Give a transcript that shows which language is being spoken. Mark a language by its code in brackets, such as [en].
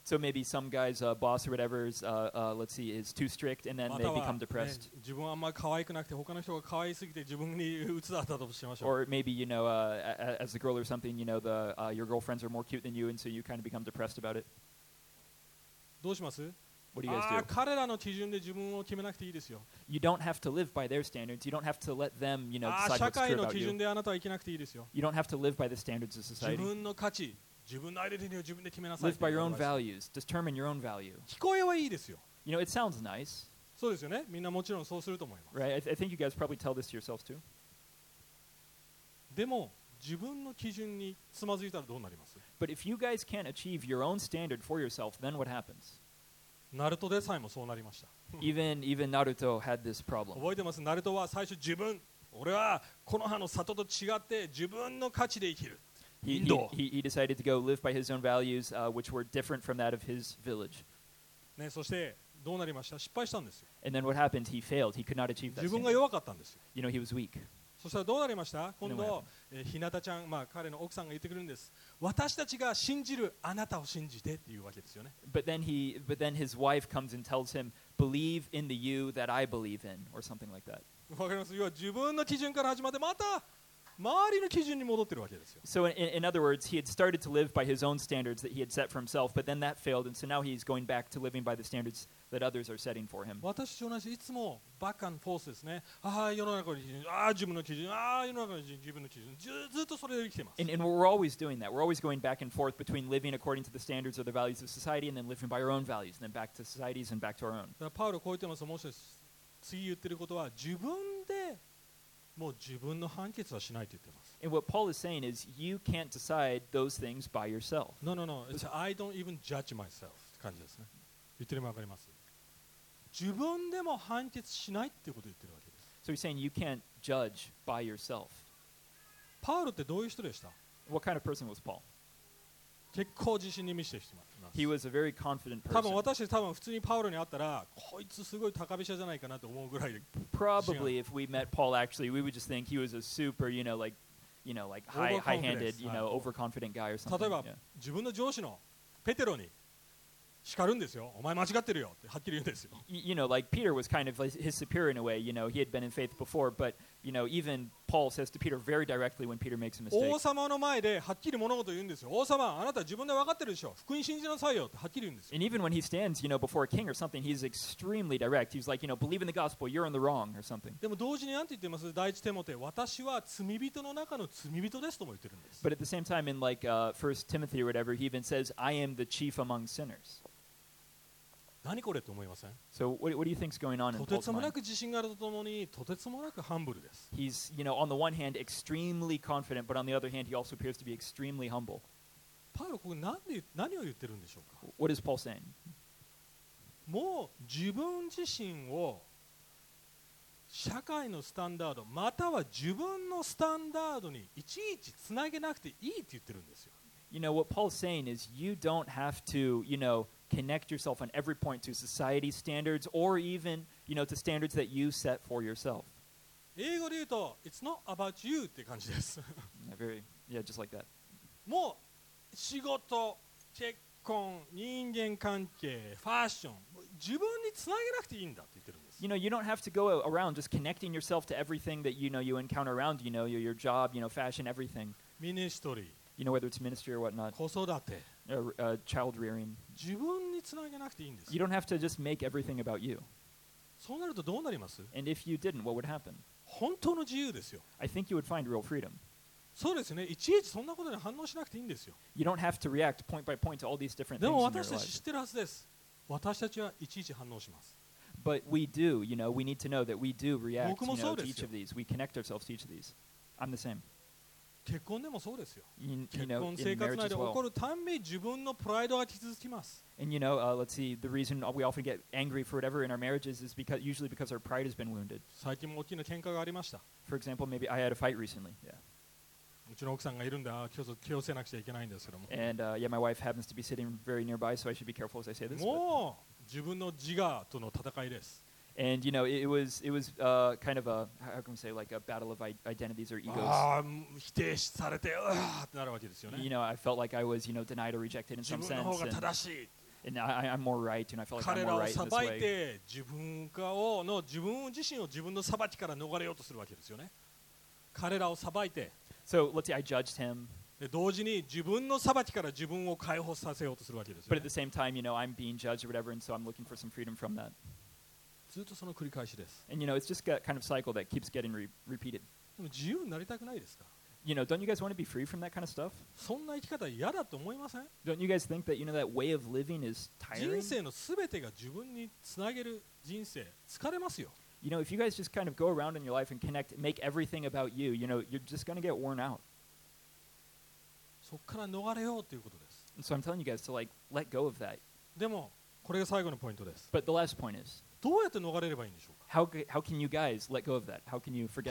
[en] So maybe some guy's boss or whatever's let's see is too strict and then they become depressed. [ja] または、ね、自分はあんまり可愛くなくて他の人が可愛すぎて自分にうつだったとしましょう。 [en] Or maybe you know, as a girl or something, you know, the your girlfriends are more cute than you, and so you kind of become depressed about it. [ja] どうします？ [en] What do you guys do? [ja] 彼らの基準で自分を決めなくていいですよ。 [en] You don't have to live by their standards. You don't have to let them, you know, decide what's [ja] 社会の基準であなたは生きなくていいですよ。 [en] You don't have to live by the standards of society. [ja] 自分の価値、自分のアイデンティティを自分で決めなさい。 [en] Live by your own values. Determine your own value. [ja] 聞こえはいいですよ。 [en] You know, it sounds nice. [ja] そうですよね。みんなもちろんそうすると思います。 [en] Right? I think you guys probably tell this to yourselves too. [ja] でも、自分の基準につまずいたらどうなります? [en] But if you guys can't achieve your own standard for yourself, then what happens? [ja] ナルトでさえもそうなりました。 [en] even Naruto had this problem. [ja] 覚えてます。ナルトは最初自分、俺はコノハの里と違って自分の価値で生きる。 [en] He decided to go live by his own values, which were different from that of his village. [ja] ね、そしてどうなりました。失敗したんですよ。 [en] And then what happened? He failed. He could not achieve that. [ja] 自分が弱かったんですよ。 [en] You know, he was weak. [ja] そしたらどうなりました。今度日向ちゃん、まあ彼の奥さんが言ってくるんです。私たちが信じるあなたを信じてっていうわけですよね。 [en] But then his wife comes and tells him, believe in the you that I believe in, or something like that. [ja] わかります。要は自分の基準から始まってまた周りの基準に戻ってるわけですよ。 [en] So in other words, he had started to live by his own standards that he had set for himself, but then that failed, and so now he's going back to living by the standards that others are setting for him. [ja] 私と同じ、いつもバックアンドフォースですね。ああ、世の中の基準、ああ、自分の基準、ああ、世の中の基準、自分の基準、ずっとそれで生きてます。 [en] And we're always doing that. We're always going back and forth between living according to the standards or the values of society and then living by our own values, and then back to society's and back to our own. [ja] パウロこう言ってます。もし次言ってることは自分でもう自分の判決はしないと言ってます。 [en] And what Paul is saying is, you can't decide those things by yourself. No. It's I don't even judge myself. [ja] って感じですね。言ってるのわかります。自分でも判決しないっていうことを言ってるわけです。 [en] So he's saying you can't judge by yourself. [ja] パウロってどういう人でした? [en] What kind of person was Paul? [ja] 結構自信に満ちてしまう。 [en] He was a very confident person. [ja] 多分私たち多分普通にパウロに会ったらこいつすごい高飛車じゃないかなと思うぐらいで。 [en] Probably if we met Paul actually, we would just think he was a super, you know, like high-handed, you know, overconfident guy or something. [ja] 例えば、yeah. 自分の上司のペテロに叱るんですよ。お前間違ってるよってはっきり言うんですよ。 [en] You know, like Peter was kind of his superior in a way. You know, he had been in faith before, but you know, even Paul says to Peter very directly when Peter makes a mistake. [ja] 王様の前ではっきり物事を言うんですよ。王様、あなた自分で分かってるでしょ。福音信じなさいよってはっきり言うんですよ。 [en] And even when he stands, you know, before a king or something, he's extremely direct. He's like, you know, believe in the gospel, you're in the wrong or something. [ja] でも同時に何て言ってます。第一テモテ、私は罪人の中の罪人ですとも言ってるんです。 [en] But at the same time, in like First Timothy or whatever, he even says, I am the chief among sinners. [ja] 何これと思いません? [en] So what do you think is going on in Paul's [ja] mind? とてつもなく自信があるとともに、とてつもなくハンブルです。 [en] He's, you know, on the one hand, extremely confident, but on the other hand, he also appears to be extremely humble. [ja] パウロ、ここ何を言ってるんでしょうか? [en] What is Paul saying? [ja] もう自分自身を社会のスタンダード、または自分のスタンダードにいちいちつなげなくていいって言ってるんですよ。 [en] You know, what Paul's saying is you don't have to, you know,connect yourself on every point to society's standards or even, you know, to standards that you set for yourself. [ja] 英語で言うと [en] it's not about you [ja] って感じです。 [en] Yeah, just like that. [ja] もう仕事、結婚、人間関係、ファッション、自分につなげなくていいんだって言ってるんです。 [en] You know, you don't have to go around just connecting yourself to everything that you know you encounter around, you know, your job, you know, fashion, everything. Ministry. You know, whether it's ministry or whatnot. [ja] 子育て。 [en] Child rearing. [ja] 自分につなげなくていいんです。 [en] You don't have to just make everything about you. [ja] そうなるとどうなります? [en] And if you didn't, what would happen? [ja] 本当の自由ですよ。 [en] I think you would find real freedom. [ja] そうですね。いちいちそんなことに反応しなくていいんですよ。 [en] You don't have to react point by point to all these different things in your life. [ja] でも私たち知ってるはずです。私たちはいちいち反応します。 [en] But we do, you know, we need to know that we do react, you know, to each of these. We connect ourselves to each of these. I'm the same. [ja] 結婚でもそうですよ。結婚生活内で起こるたんび自分のプライドが傷つきます。 [en] And you know, let's see, the reason we often get angry for whatever in our marriages is because usually because our pride has been wounded. [ja] 最近も大きな喧嘩がありました。 [en] For example, maybe I had a fight recently. Yeah. [ja] うちの奥さんがいるんだ。ちょっと気をつけなくちゃいけないんですけども。 [en] And yeah, my wife happens to be sitting very nearby, so I should be careful as I say this. [ja] もう自分の自我との戦いです。 [en] And you know, it was kind of a how can we say like a battle of identities or egos. [ja] ああ、否定されてうわってなるわけですよね。 [en] You know, I felt like I was you know denied or rejected in some sense. [ja] 自分の方が正しい。 [en] And I'm more right, and I feel like I'm more right in this way. [ja] 彼らを裁いて自分かをの自分自身を自分の裁きから逃れようとするわけですよね。彼らを裁いて。 [en] So let's see, I judged him. [ja] 同時に自分の裁きから自分を解放させようとするわけですよね。 [en] But at the same time, you know, I'm being judged or whatever, and so I'm looking for some freedom from that. [ja] ずっとその繰り返しです。 [en] And you know, it's just a kind of cycle that keeps getting repeated. [ja] でも自由になりたくないですか？ [en] You know, don't you guys want to be free from that kind of stuff? [ja] そんな生き方嫌だと思いません？ [en] Don't you guys think that, you know, that way of living is tiring? [ja] 人生のすべてが自分につなげる人生、疲れますよ。 [en] You know, if you guys just kind of go around in your life and connect, make everything about you, you know, you're just going to get worn out. [ja] そっから逃れようということです。 [en] And so I'm telling you guys to like, let go of that. [ja] でも、これが最後のポイントです。 [en] But the last point is, [ja] どうやって逃れればいいんでしょうか？ [en] How can you guys let go of that? How can you forget about